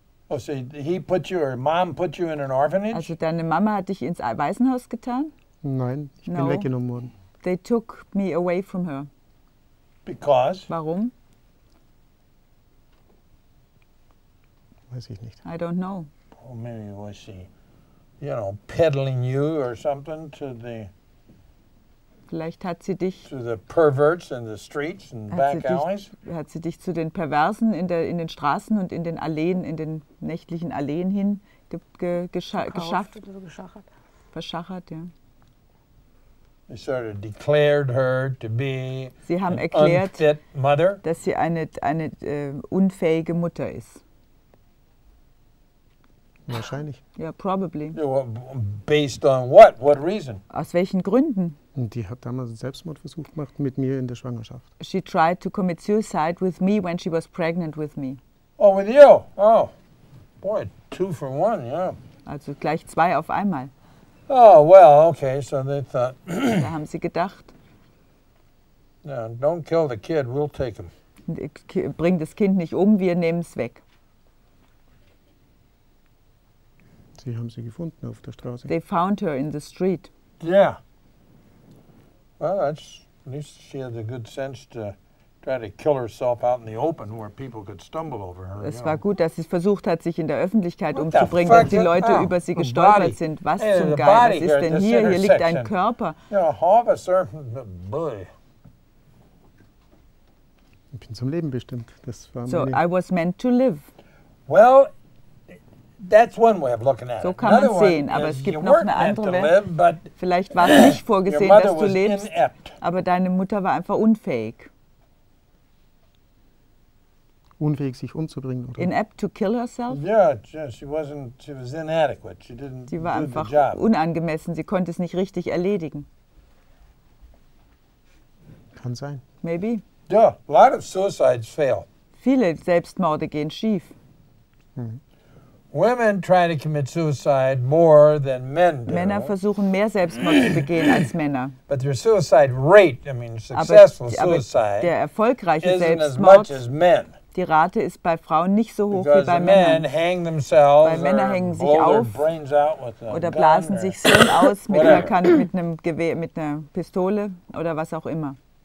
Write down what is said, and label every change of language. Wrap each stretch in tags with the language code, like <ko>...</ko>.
<en>Oh, so he put you or mom put you in an orphanage?</en> <de>Also deine Mama hat dich ins Waisenhaus getan? Nein, ich bin weggenommen worden.</de> <en>They took me away from her. Because?</en> <de>Warum? Weiß ich nicht.</de> <en>I don't know. Well, maybe was she, you know, peddling you or something to the...</en> <de>Vielleicht hat sie dich...</de> <en>To the perverts in the streets and back alleys?</en> <de>Hat sie dich zu den Perversen in den Straßen und in den Alleen, in den nächtlichen Alleen hin geschafft? Verschachert, ja.</de> <en>They sort of declared her to be</en> <de>sie haben erklärt,</de> <en>an unfit mother.</en> <de>Dass sie eine unfähige Mutter ist. Wahrscheinlich.</de> <en>Ja, probably. Based on what? What reason?</en> <de>Aus welchen Gründen? Und die hat damals einen Selbstmordversuch gemacht mit mir in der Schwangerschaft.</de> <en>She tried to commit suicide with me when she was pregnant with me. Oh, with you? Oh, boy, two for one, yeah.</en> <de>Also gleich zwei auf einmal.</de> <en>Oh, well, okay, so they thought.</en> <de>Da haben sie gedacht.</de> <en>No, don't kill the kid, we'll take him.</en> <de>Bring das Kind nicht um, wir nehmen es weg. Sie haben sie gefunden auf der Straße.</de> <en>They found her in the street. Yeah. Well, that's, at least she had the good sense to try to kill herself out in the open where people could stumble over her.</en> <de>Es war gut, dass sie versucht hat, sich in der Öffentlichkeit umzubringen, dass die Leute über sie gestolpert sind. Was zum Geil, was ist denn hier? Hier liegt ein Körper. Ich bin zum Leben bestimmt. Das war</de> <en>so, I was meant to live. Well, That's one way of looking at it.</en> <de>So kann man sehen, aber es gibt noch eine andere Welt. Vielleicht war es nicht vorgesehen, dass du lebst, aber deine Mutter war einfach unfähig. Unfähig, sich umzubringen, oder?</de> <en>Inept to kill herself? Yeah, she was inadequate. She didn't do the job.</en> <de>Sie war einfach unangemessen, sie konnte es nicht richtig erledigen. Kann sein.</de> <en>Maybe. Yeah, a lot of suicides fail.</en> <de>Viele Selbstmorde gehen schief.</de> <en>Women try to commit suicide more than men do.</en> <de>Männer versuchen mehr Selbstmord zu begehen als Männer.</de> <en>But their suicide rate, I mean successful suicide,</en> <de>der erfolgreiche Selbstmord, die Rate ist bei Frauen nicht so hoch</de> <en>because</en> <de>wie bei Männern.</de> <en>Hang themselves,</en> <de>weil Männer hängen sich auf oder blasen sich so aus mit einer Kanne, mit einem Gewehr, mit einer Pistole oder was auch immer.</de>